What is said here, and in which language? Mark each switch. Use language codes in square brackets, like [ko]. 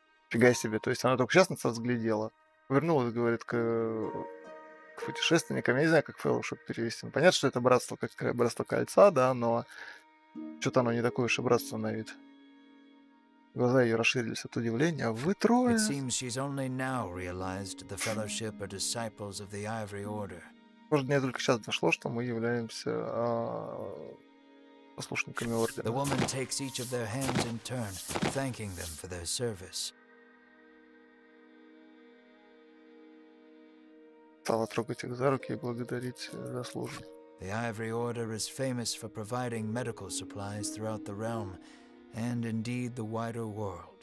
[ru] Фига себе, то есть она только сейчас нас разглядела. Вернулась, говорит, к путешественникам. Я не знаю, как фэллоушип перевести. Ну, понятно, что это братство, как братство кольца, да, но что-то оно не такое уж и братство на вид. Глаза ее расширились от удивления. Вы трое. [en] It seems she's only now realized the fellowship are disciples of the Ivory Order. [ru] Может, мне только сейчас дошло, что мы являемся послушниками ордена. [en] The woman takes each of their hands in turn, thanking them for their service. [ru] Стала трогать их за руки и благодарить за службу. [en] The Ivory Order is famous for providing medical supplies throughout the realm, and indeed the wider world.